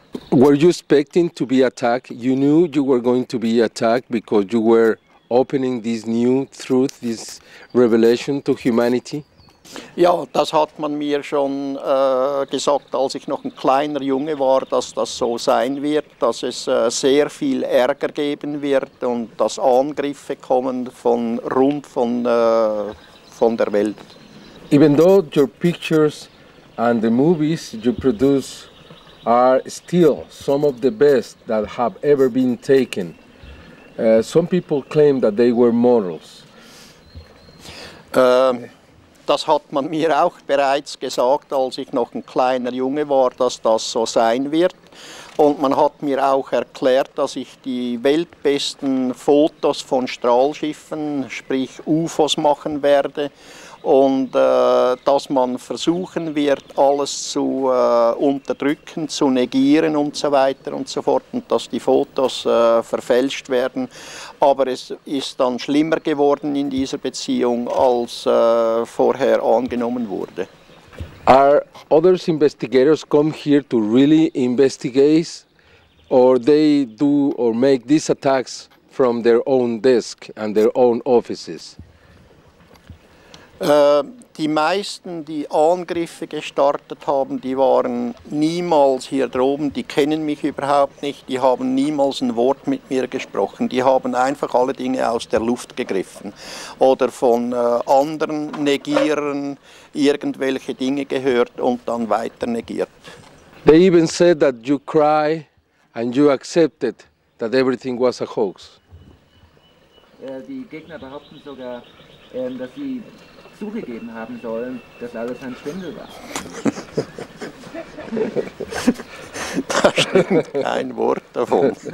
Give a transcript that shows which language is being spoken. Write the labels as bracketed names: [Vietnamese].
[English] Were you expecting to be attacked? You knew you were going to be attacked because you were opening this new truth, this revelation to humanity? [German] Ja, das hat man mir schon gesagt, als ich noch ein kleiner Junge war, dass das so sein wird, dass es sehr viel Ärger geben wird und dass Angriffe kommen von rund von der Welt. [English] Even though your pictures and the movies you produce are still some of the best that have ever been taken, some people claim that they were models. [German] Das hat man mir auch bereits gesagt, als ich noch ein kleiner Junge war, dass das so sein wird. Und man hat mir auch erklärt, dass ich die weltbesten Fotos von Strahlschiffen, sprich UFOs, machen werde. Und dass man versuchen wird, alles zu unterdrücken, zu negieren und so weiter und so fort. Und dass die Fotos verfälscht werden. Aber es ist dann schlimmer geworden in dieser Beziehung, als vorher angenommen wurde. [English] Are other investigators come here to really investigate? Or they do or make these attacks from their own desk and their own offices? [German] Die meisten, die Angriffe gestartet haben, die waren niemals hier droben, die kennen mich überhaupt nicht, die haben niemals ein Wort mit mir gesprochen, die haben einfach alle Dinge aus der Luft gegriffen oder von anderen Negierern irgendwelche Dinge gehört und dann weiter negiert. [English] They even said that you cry and you accepted that everything was a hoax. [German] Die Gegner behaupten sogar, dass sie zugegeben haben sollen, dass alles ein Schwindel war. Da stimmt kein Wort davon.